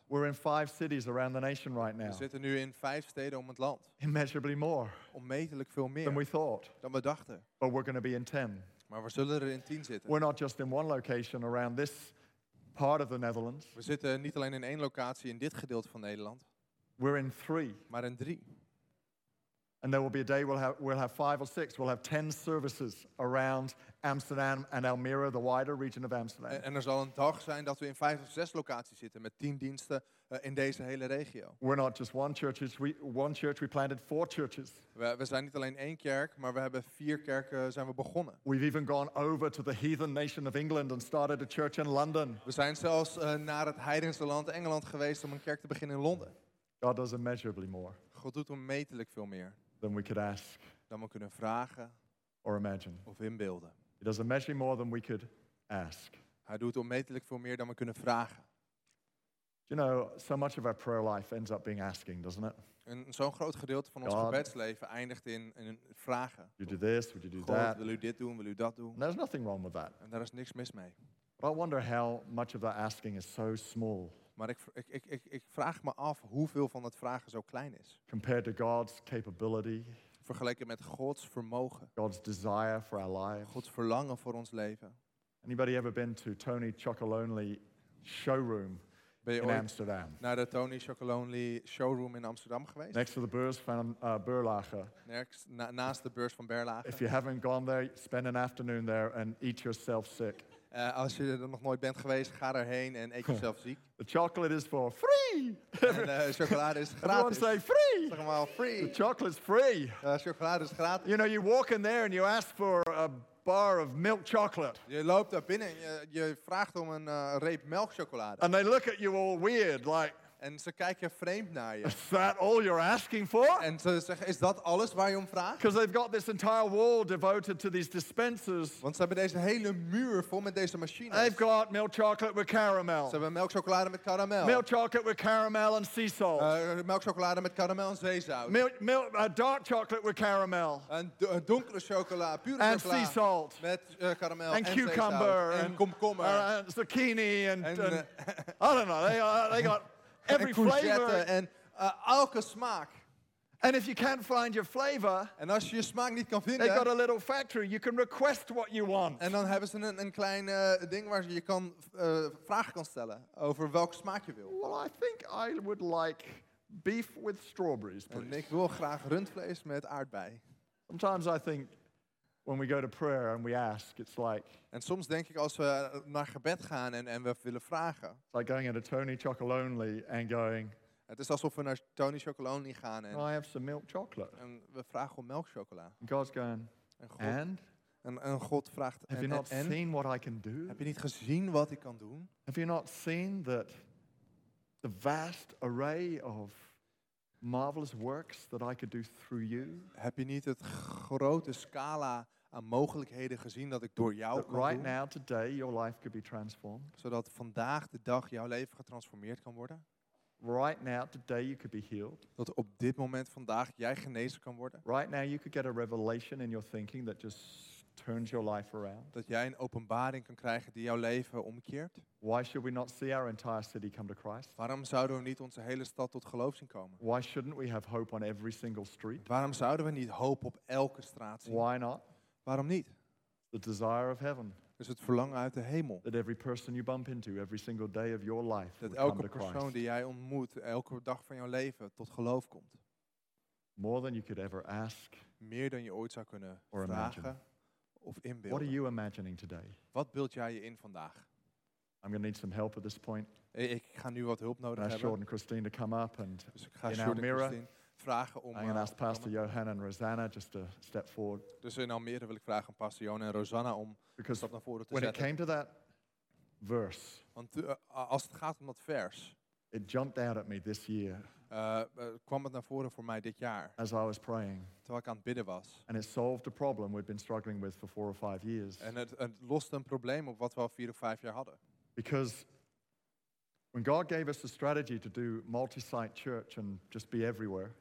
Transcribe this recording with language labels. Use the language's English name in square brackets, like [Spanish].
[English] We're in 5 cities around the nation right now. [Dutch] We zitten nu in 5 steden om het land. [English] Immeasurably more. [Dutch] Onmetelijk veel meer. [English] Than we thought. [Dutch] Dan we dachten. [English] But we're going to be in 10. [Dutch] Maar we zullen er in 10 zitten. [English] We're not just in one location around this part of the Netherlands. [Dutch] We zitten niet alleen in één locatie in dit gedeelte van Nederland. [English] We're in 3. [Dutch] Maar in 3. [English] And there will be a day we'll have 5 or 6. We'll have 10 services around Amsterdam and Almere, the wider region of Amsterdam. [Dutch] En er zal een dag zijn dat we in 5 of 6 locaties zitten met 10 diensten in deze hele regio. [English] We're not just one church, we planted 4 churches. [Dutch] We zijn niet alleen 1 kerk, maar we hebben 4 kerken zijn we begonnen. [English] We've even gone over to the heathen nation of England and started a church in London. [Dutch] We zijn zelfs naar het heidense land Engeland geweest om een kerk te beginnen in Londen. [English] God does immeasurably more. [Dutch] God doet onmetelijk veel meer. [English] Than we could ask. [Dutch] Dan we kunnen vragen. [English] Or imagine. [Dutch] Of inbeelden. [English] He does immeasurably more than we could ask. [Dutch] Hij doet onmetelijk veel meer dan we kunnen vragen. [English] You know, so much of our prayer life ends up being asking, doesn't it? [Dutch] En zo'n groot gedeelte van ons gebedsleven eindigt in vragen. [English] You do this, would you do God, that? [Dutch] Wil u dit doen, wil u dat doen? [English] And there's nothing wrong with that. [Dutch] En daar is niks mis mee. [English] But I wonder how much of that asking is so small. [Dutch] Maar ik vraag me af hoeveel van dat vragen zo klein is. [English] Compared to God's capability. [Dutch] Vergeleken met Gods vermogen. [English] God's desire for our lives. [Dutch] Gods verlangen voor ons leven. [English] Anybody ever been to Tony Chocolonely showroom in Amsterdam? [Dutch] Naar de Tony Chocolonely showroom in Amsterdam geweest? [English] Next to the beurs van Berlage. [Dutch] Naast de beurs van Berlage. [English] If you haven't gone there, spend an afternoon there and eat yourself sick. [Dutch] Als je er nog nooit bent geweest, ga erheen en eet jezelf ziek. [English] The chocolate is for free. [Dutch] En chocolade is gratis. [English] Everyone say free. [Dutch] Zeg maar free. [English] The chocolate is free. [Dutch] Chocolade is gratis. [English] You know, you walk in there and you ask for a bar of milk chocolate. [Dutch] Je loopt daar binnen en je vraagt om een reep melkchocolade. [English] And they look at you all weird, like. [Dutch] En ze kijken vreemd naar je. [English] Is that all you're asking for? [Dutch] En ze zeggen, is dat alles waar je om vraagt? [English] Because they've got this entire wall devoted to these dispensers. [Dutch] Want ze hebben deze hele muur vol met deze machines. [English] They've got milk chocolate with caramel. [Dutch] Ze hebben melkchocolade met karamel. [English] Milk chocolate with caramel and sea salt. [Dutch] Melkchocolade met karamel en zeezout. [English] Dark chocolate with caramel. [Dutch] En donkere chocolade, pure chocolade. [English] And sea salt. [Dutch] Met karamel [English] and cucumber [Dutch] en komkommer. [English] And zucchini and I don't know. They got every flavor [Dutch] and elke smaak. [English] And if you can't find your flavor, [Dutch] en als je je smaak niet kan vinden, [English] they got a little factory. You can request what you want. [Dutch] En dan hebben ze een klein ding waar je kan vragen kan stellen over welke smaak je wil. [English] Well, I think I would like beef with strawberries, please. [Dutch] En ik wil graag rundvlees met aardbei. [English] Sometimes I think when we go to prayer and we ask, it's like. [Dutch] En soms denk ik als we naar gebed gaan en we willen vragen. [English] It's like going into Tony Chocolonely and going. [Dutch] Het is alsof we naar Tony Chocolonely gaan en. [English] I have some milk chocolate. [Dutch] En we vragen om melkchocola. [English] God's going. And. [Dutch] En God vraagt. [English] Have you not seen what I can do? [Dutch] Heb je niet gezien wat ik kan doen? [English] Have you not seen that the vast array of marvelous works that I could do through you. [Dutch] Heb je niet het grote scala aan mogelijkheden gezien dat ik door jou kan doen? [English] Right now, today, your life could be transformed. [Dutch] Zodat vandaag de dag jouw leven getransformeerd kan worden. [English] Right now, today, you could be healed. [Dutch] Dat op dit moment vandaag jij genezen kan worden. [English] Right now, you could get a revelation in your thinking that just turns your life around. [Dutch] Dat jij een openbaring kan krijgen die jouw leven omkeert. [English] Why should we not see our entire city come to Christ? [Dutch] Waarom zouden we niet onze hele stad tot geloof zien komen? [English] Why shouldn't we have hope on every single street? [Dutch] Waarom zouden we niet hoop op elke straat zien? [English] Why not? [Dutch] Waarom niet? [English] The desire of heaven. [Dutch] Is het verlangen uit de hemel. [English] That every person you bump into every single day of your life. [Dutch] Dat elke persoon die jij ontmoet elke dag van jouw leven tot geloof komt. [English] More than you could ever ask. [Dutch] Meer dan je ooit zou kunnen vragen. Of inbeelden. [English] What are you imagining today? [Dutch] Wat beeld jij je in vandaag? [English] I'm going to need some help at this point. [Dutch] Ik ga nu wat hulp nodig hebben. [English] Ask Jordan and Christine to come up and [Dutch] dus ik ga in Jordan our mirror. vragen om. [English] I'm going to ask Pastor Johan and Rosanna just to step forward. [Dutch] Dus in Almere wil ik vragen Pastor Johan en Rosanna om een stap naar voren te zetten. [English] When it came to that verse. [Dutch] Want als het gaat om dat vers. [English] It jumped out at me this year. [Dutch] Kwam het naar voren voor mij dit jaar. [English] As I was praying. [Dutch] Terwijl ik aan het bidden was. [English] And it solved a problem we'd been struggling with for 4 or 5 years. [Dutch] En het lost een probleem op wat we al 4 of 5 jaar hadden. [English] Because when God gave us a strategy to do multi-site church and just be everywhere.